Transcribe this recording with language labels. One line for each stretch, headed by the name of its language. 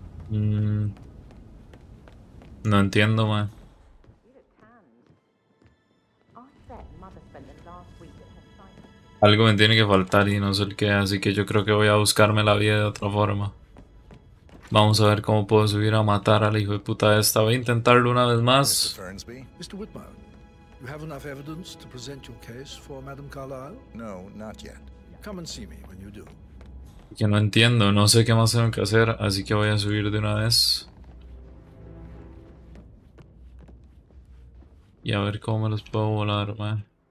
Spanish: No entiendo, man. Algo me tiene que faltar y no sé el qué, así que yo creo que voy a buscarme la vida de otra forma. Vamos a ver cómo puedo subir a matar al hijo de puta esta. Voy a intentarlo una vez más.
English: Mr. Fernsby. Mr. Whitmire, you have enough evidence to present your case for Madame Carlyle? No, not yet. Come and see me when you do.
Spanish: Que no entiendo, no sé qué más tengo que hacer, así que voy a subir de una vez. Y a ver cómo me los puedo volar, man.